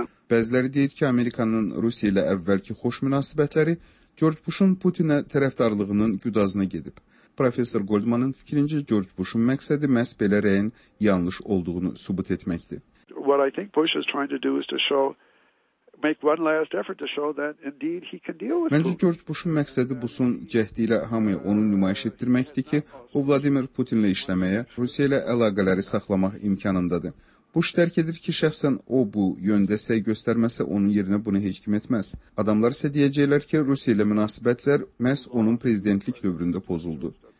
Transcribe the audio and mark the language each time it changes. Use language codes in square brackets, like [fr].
[az] Bəziləri deyir ki, Amerikanın Rusiya ilə əvvəlki xoş münasibətləri George Bush'un Putinə tərəfdarlığının güdazına gedib. Professor Goldman'ın fikrincə George Bush'un məqsədi məhz belə rəyin yanlış olduğunu sübut etməkdir. [en] What I think Bush is trying to do is to show, make one last effort to show that indeed he can deal with. [az] Məncə George Bush'un məqsədi Bush'un cəhdi ilə hamıya onu nümayiş etdirməkdir ki, o Vladimir Putin ilə işləməyə, Rusiya ilə əlaqələri saxlamaq imkanındadır. Bush dərk edir ki, şəxsən o bu yöndə səy göstərməsə onun yerinə bunu heç kim etməz. Adamlar isə deyəcəklər ki, Rusiya ilə münasibətlər məhz onun prezidentlik dövründə pozuldu.